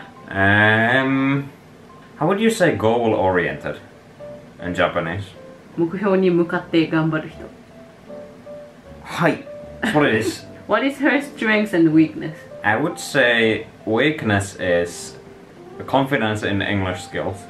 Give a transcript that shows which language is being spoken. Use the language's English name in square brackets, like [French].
[English] How would you say goal oriented in Japanese? [Japanese] 目標に向かって頑張る人。はい、それです。 [English] What is her strengths and weakness? I would say weakness is confidence in English skills.